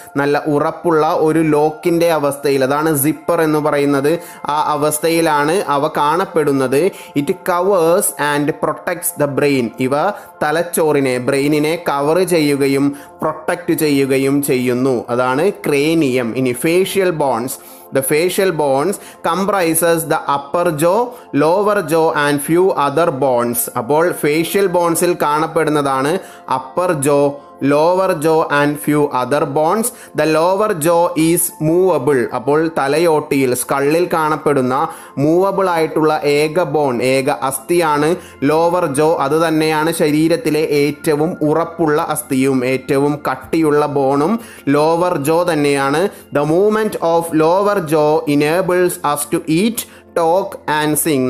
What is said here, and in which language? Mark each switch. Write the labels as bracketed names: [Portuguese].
[Malayalam] നല്ല ഉറപ്പുള്ള ഒരു ലോക്കിൻ്റെ അവസ്ഥയിൽ, അതാണ് സിപ്പർ എന്ന് പറയുന്നത്. ആ അവസ്ഥയിലാണ് അവ കാണപ്പെടുന്നത്. [English] It covers and protects the brain. [Malayalam] ഇവ തലച്ചോറിനെ, ബ്രെയിനിനെ കവർ ചെയ്യുകയും പ്രൊട്ടക്റ്റ് ചെയ്യുകയും ചെയ്യുന്നു. അതാണ് ക്രേനിയം. ഇനി facial bones. [English] The facial bones comprises the upper jaw, lower jaw and few other bones. [Malayalam] അപ്പോൾ facial bones ൽ കാണപ്പെടുന്നതാണ് [English] upper jaw, lower jaw and few other bones. The lower jaw is movable. [Malayalam] അപ്പോൾ തലയോട്ടിയിൽ, സ്കള്ളിൽ കാണപ്പെടുന്ന movable ആയിട്ടുള്ള ഏക bone, ഏക അസ്ഥിയാണ് lower ജോ. അത് തന്നെയാണ് ശരീരത്തിലെ ഏറ്റവും ഉറപ്പുള്ള അസ്ഥിയും ഏറ്റവും കട്ടിയുള്ള ബോണും ലോവർ ജോ തന്നെയാണ്. [English] The movement of lower jaw enables us to eat, talk and sing.